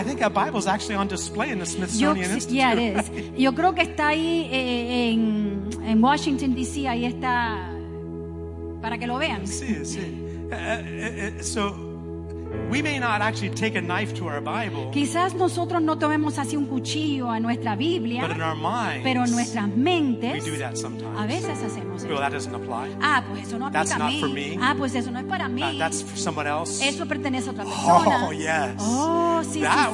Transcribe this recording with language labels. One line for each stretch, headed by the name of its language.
English: I think a Bible is actually on display in the Smithsonian
Spanish: yo,
English: Institute. Yeah, it is. Right?
Spanish: Yo creo que está ahí en Washington D.C. Ahí está para que lo vean. Sí, sí. So.
English: We may not actually take a knife to our Bible.
Spanish: Quizás nosotros no tomemos así un cuchillo a nuestra Biblia.
English: But in our minds,
Spanish: pero en nuestras mentes,
English: we do that sometimes.
Spanish: A veces hacemos eso.
English: Well, that doesn't apply.
Spanish: Ah, pues eso no aplica
English: that's
Spanish: a mí.
English: Not for me.
Spanish: Ah, pues eso no es para mí.
English: That's for someone else.
Spanish: Eso pertenece a otra persona.
English: Oh, yes.
Spanish: Oh, sí,
English: that